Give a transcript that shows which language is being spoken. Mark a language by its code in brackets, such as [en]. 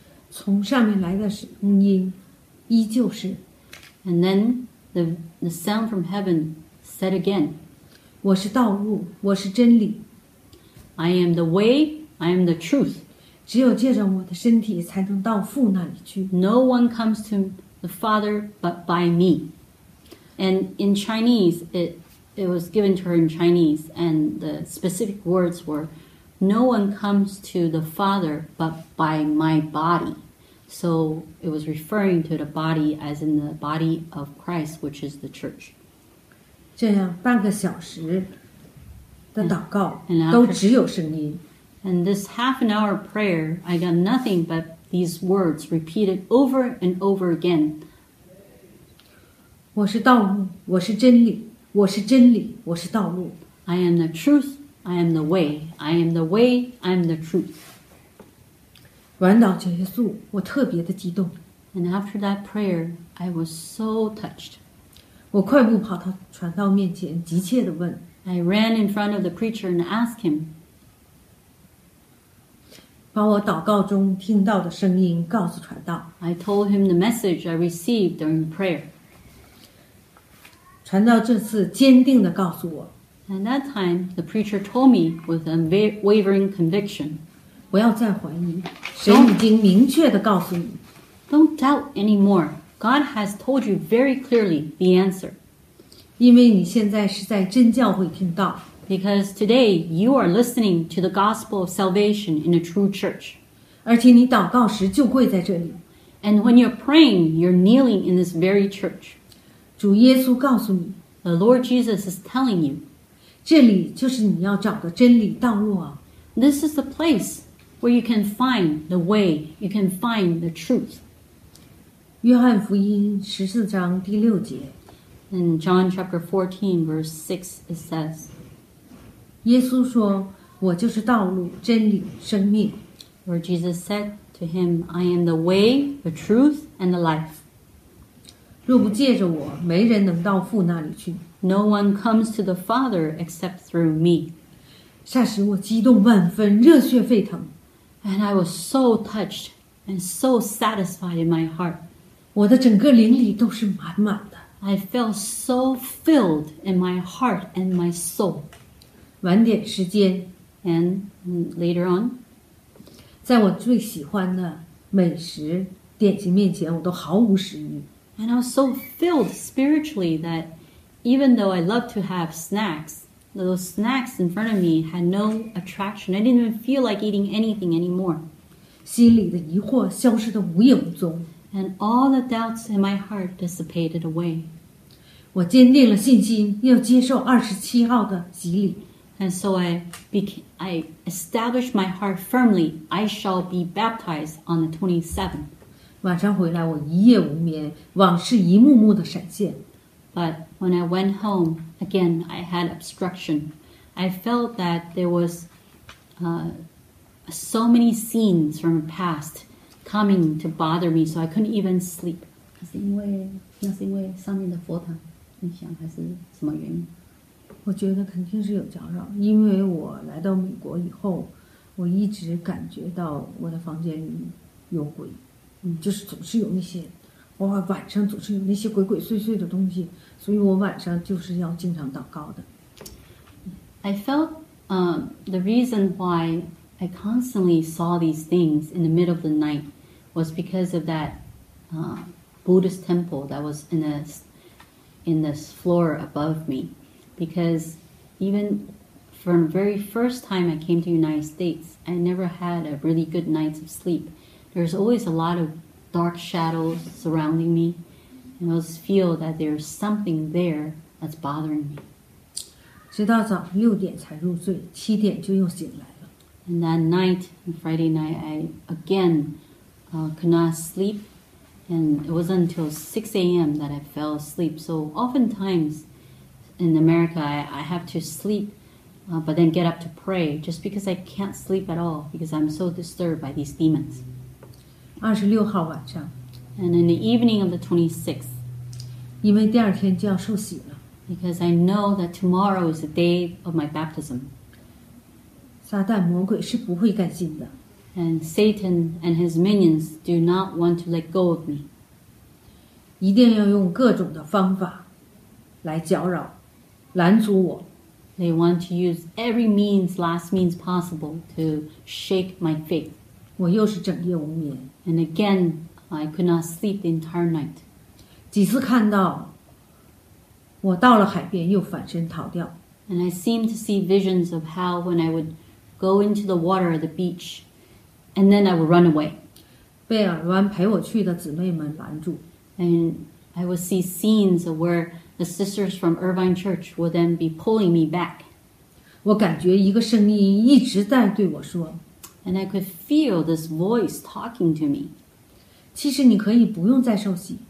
[zh] 从上面来的声音依旧是 [en] And then the sound from heaven said again [zh] 我是道路我是真理 [en] I am the way, I am the truth [zh] 只有借着我的身体才能到父那里去。 [en] No one comes to the Father but by me. And in Chinese, it was given to her in Chinese, and the specific words were, No one comes to the Father but by my body. So it was referring to the body as in the body of Christ, which is the church. [zh] 这样半个小时的祷告都只有声音。 [en] And this half an hour prayer, I got nothing but these words repeated over and over again. [zh] 我是道路，我是真理，我是真理，我是道路。 [en] I am the truth, I am the way, I am the way, I am the truth. [zh] 完祷结束，我特别的激动。 [en] And after that prayer, I was so touched. [zh] 我快步跑到传道面前，急切地问。 [en] I ran in front of the preacher and asked him, [zh] 把我祷告中听到的声音告诉传道。 [en] I told him the message I received during prayer. [zh] 传道这次坚定地告诉我。 [en] And that time, the preacher told me with unwavering conviction. [zh] 不要再怀疑，神已经明确地告诉你。 [en] Don't doubt anymore. God has told you very clearly the answer. [zh] 因为你现在是在真教会听到。 [en] Because today you are listening to the gospel of salvation in a true church. [zh] 而且你祷告时就跪在这里。 [en] And when you're praying, you're kneeling in this very church. [zh] 主耶稣告诉你。 [en] The Lord Jesus is telling you. [zh] 这里就是你要找的真理道路啊。 [en] This is the place where you can find the way, you can find the truth. [zh] 约翰福音十四章第六节。 [en] In John chapter 14, verse 6, it says, [zh] 耶稣说我就是道路真理生命 [en] Where Jesus said to him I am the way, the truth, and the life [zh] 若不借着我没人能到父那里去 [en] No one comes to the Father except through me [zh] 霎时我激动万分热血沸腾 [en] And I was so touched and so satisfied in my heart [zh] 我的整个灵里都是满满的 [en] I felt so filled in my heart and my soul [zh] 晚点时间 [en] And later on [zh] 在我最喜欢的美食点心面前我都毫无食欲 [en] And I was so filled spiritually that even though I love to have snacks those snacks in front of me had no attraction I didn't even feel like eating anything anymore [zh] 心里的疑惑消失得无影踪 [en] And all the doubts in my heart dissipated away [zh] 我坚定了信心要接受27号的洗礼 [en] And so I established my heart firmly. I shall be baptized on the 27th. [zh] 晚上回来我一夜无眠往事一幕幕地闪现。 [en] But when I went home, again, I had obstruction. I felt that there was so many scenes from the past coming to bother me, so I couldn't even sleep. [zh] 那是因为上面的佛堂你想还是什么原因我觉得肯定是有搅扰因为我来到美国以后我一直感觉到我的房间里有鬼就是总是有那些我晚上总是有那些鬼鬼祟祟的东西所以我晚上就是要经常祷告的 [en] I felt The reason why I constantly saw these things in the middle of the night was because of that Buddhist temple that was in this floor above me. Because even from the very first time I came to the United States, I never had a really good night's sleep. There's always a lot of dark shadows surrounding me, and I always feel that there's something there that's bothering me. [zh] 直到早上六点才入睡，七点就又醒来了。 [en] And that night, Friday night, I again could not sleep, and it wasn't until 6 a.m. that I fell asleep. So oftentimes in America, I have to sleep, but then get up to pray just because I can't sleep at all because I'm so disturbed by these demons. [zh] 26号晚上。 [en] And in the evening of the 26th, [zh] 因为第二天就要受洗了。 [en] Because I know that tomorrow is the day of my baptism. [zh] 撒旦魔鬼是不会甘心的。 [en] And Satan and his minions do not want to let go of me. [zh] 一定要用各种的方法来搅扰，拦阻我。 [en] They want to use every means, last means possible to shake my faith. [zh] 我又是整夜无眠。 [en] And again, I could not sleep the entire night. [zh] 几次看到我到了海边又反身逃掉。 [en] And I seem to see visions of how when I would go into the water at the beach, and then I would run away. [zh] 被耳湾陪我去的姊妹们拦住。 [en] And I would see scenes of where the sisters from Irvine Church would then be pulling me back. [zh] 我感觉一个声音一直在对我说。 [en] And I could feel this voice talking to me. [zh] 其实你可以不用再受洗。